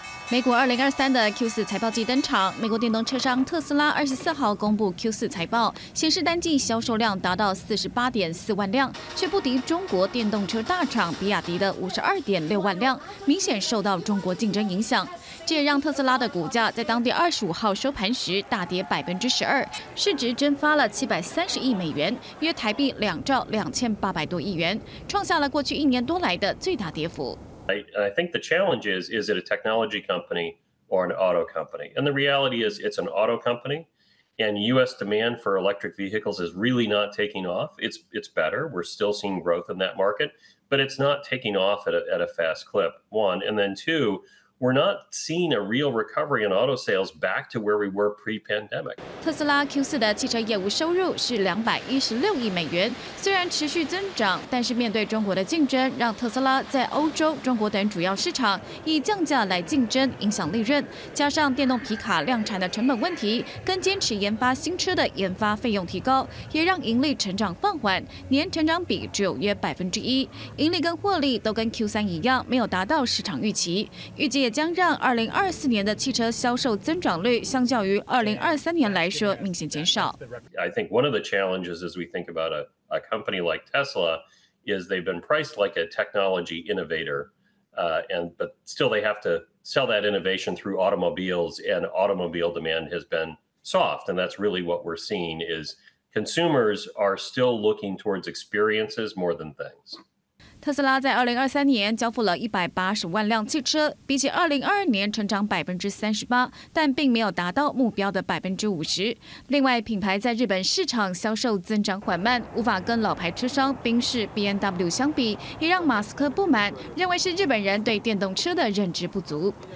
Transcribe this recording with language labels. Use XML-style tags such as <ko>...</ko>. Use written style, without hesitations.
<zh>美股2023的 Q4 财报季登场，美国电动车商特斯拉24号公布 Q4 财报，显示单季销售量达到48.4万辆，却不敌中国电动车大厂比亚迪的52.6万辆，明显受到中国竞争影响。这也让特斯拉的股价在当地25号收盘时大跌12%，市值蒸发了730亿美元，约台币2兆2800多亿元，创下了过去一年多来的最大跌幅。</zh> <en>I think the challenge is it a technology company or an auto company? And the reality is it's an auto company, and U.S. demand for electric vehicles is really not taking off. It's better. We're still seeing growth in that market, but it's not taking off at a fast clip, one. And then two, we're not seeing a real recovery in auto sales back to where we were pre-pandemic.</en> <zh>Tesla Q4 的汽车业务收入是216亿美元，虽然持续增长，但是面对中国的竞争，让特斯拉在欧洲、中国等主要市场以降价来竞争，影响利润。加上电动皮卡量产的成本问题，跟坚持研发新车的研发费用提高，也让盈利成长放缓，年成长比只有约1%，盈利跟获利都跟 Q3 一样，没有达到市场预期，预计也将让2024年的汽车销售增长率相较于2023年来说明显减少。</zh> <en>I think one of the challenges as we think about a company like Tesla is they've been priced like a technology innovator, but still they have to sell that innovation through automobiles, and automobile demand has been soft, and that's really what we're seeing is consumers are still looking towards experiences more than things.</en> <zh>特斯拉在2023年交付了180万辆汽车，比起2022年成长38%，但并没有达到目标的50%。另外，品牌在日本市场销售增长缓慢，无法跟老牌车商宾士、BMW 相比，也让马斯克不满，认为是日本人对电动车的认知不足。</zh>